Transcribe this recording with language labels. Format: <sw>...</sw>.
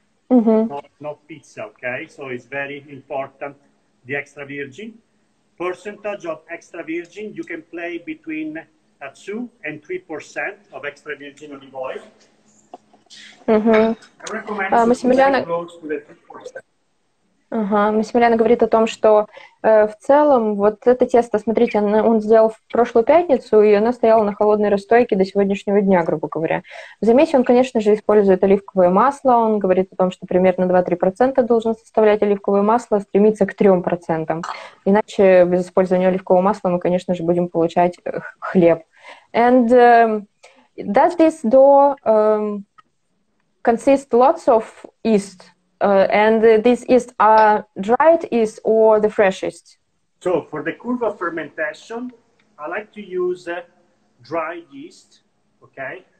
<en>mm-hmm. not pizza, okay? So it's very important, the extra virgin. Percentage of extra virgin, you can play between 2% and 3% of extra virgin olive oil. Mm-hmm. I recommend Massimiliano... to close to the 3%.</en> <ru>Ага, Массимилиано говорит о том, что в целом вот это тесто, смотрите, он сделал в прошлую пятницу, и оно стояло на холодной расстойке до сегодняшнего дня, грубо говоря. В замесе он, конечно же, использует оливковое масло, он говорит о том, что примерно 2-3% должен составлять оливковое масло, стремится к 3%. Иначе без использования оливкового масла мы, конечно же, будем получать хлеб.</ru> <en>And does this dough consist lots of yeast? And this is dried yeast or the freshest? So for the curve of fermentation, I like to use dry yeast, okay?</en>